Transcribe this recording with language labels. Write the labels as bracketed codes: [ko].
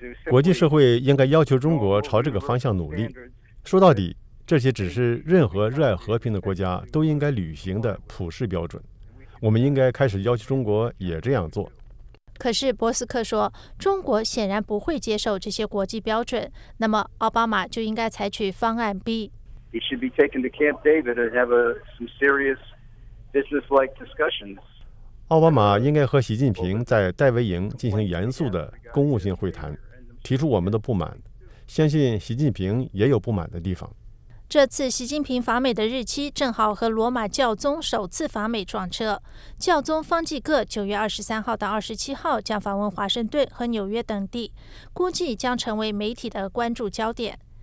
[zh] 国际社会应该要求中国朝这个方向努力。说到底，这些只是任何热爱和平的国家都应该履行的普世标准。我们应该开始要求中国也这样做。可是博斯科说，中国显然不会接受这些国际标准，那么奥巴马就应该采取方案 B。 [en] He should be taken to Camp David and have some serious business-like discussions. [zh] 奥巴马应该和习近平在戴维营进行严肃的公务性会谈，提出我们的不满，相信习近平也有不满的地方。这次习近平访美的日期正好和罗马教宗首次访美撞车，教宗方济各9月23号到27号将访问华盛顿和纽约等地，估计将成为媒体的关注焦点。